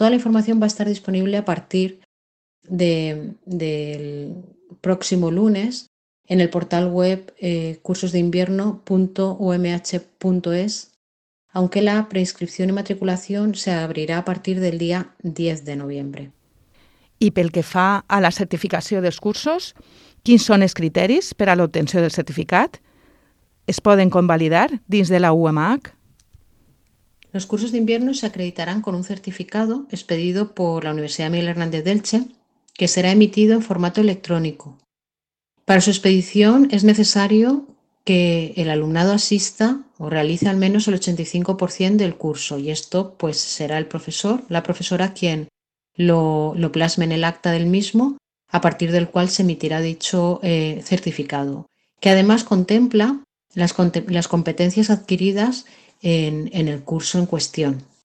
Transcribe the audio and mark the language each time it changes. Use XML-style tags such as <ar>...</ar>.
<es>Toda la información va a estar disponible a partir del próximo lunes en el portal web cursosdeinvierno.umh.es, aunque la preinscripción y matriculación se abrirá a partir del día 10 de noviembre.</es> <ca>I pel que fa a la certificació dels cursos, quins són els criteris per a l'obtenció del certificat? ¿Es pueden convalidar dins de la UMAC?</ca> <es>Los cursos de invierno se acreditarán con un certificado expedido por la Universidad Miguel Hernández de Elche, que será emitido en formato electrónico. Para su expedición es necesario que el alumnado asista o realice al menos el 85% del curso, y esto pues será el profesor, la profesora quien lo plasme en el acta del mismo, a partir del cual se emitirá dicho certificado, que además contempla las competencias adquiridas en el curso en cuestión.</es>